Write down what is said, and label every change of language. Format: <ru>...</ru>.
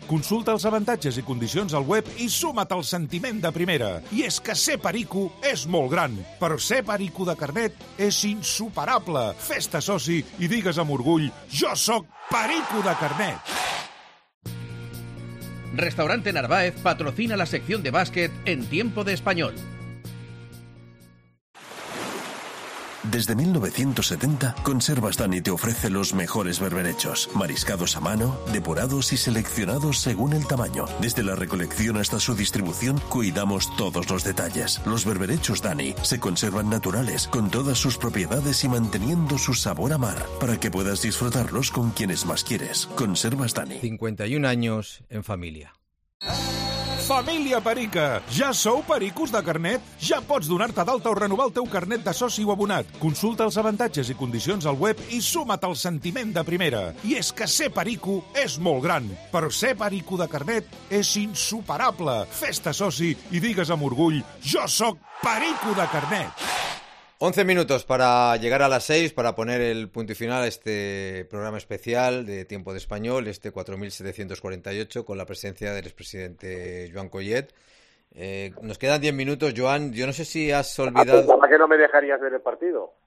<ca>Consulta els avantatges i condicions al web i suma't al sentiment de primera. I és que ser perico és molt gran, però ser perico de carnet és insuperable. Fes-te soci i digues amb orgull, jo sóc perico de carnet.</ca> <es>Restaurante Narváez patrocina la sección de bàsquet en Tiempo de Español. Desde 1970, Conservas Dani te ofrece los mejores berberechos, mariscados a mano, depurados y seleccionados según el tamaño. Desde la recolección hasta su distribución, cuidamos todos los detalles. Los berberechos Dani se conservan naturales, con todas sus propiedades y manteniendo su sabor a mar, para que puedas disfrutarlos con quienes más quieres. Conservas Dani. 51 años en familia.</es> <ca>Família Perica, ja sou pericus de carnet? Ja pots donar-te d'alta o renovar el teu carnet de soci o abonat. Consulta els avantatges i condicions al web i suma't al sentiment de primera. I és que ser perico és molt gran, però ser perico de carnet és insuperable. Fes-te soci i digues amb orgull, jo sóc perico de carnet.</ca> <es>11 minutos para llegar a las 6, para poner el punto y final a este programa especial de Tiempo de Español, este 4.748, con la presencia del expresidente Joan Collet. Nos quedan 10 minutos, Joan. Yo no sé si has olvidado... ¿Para qué no me dejarías ver el partido?</es>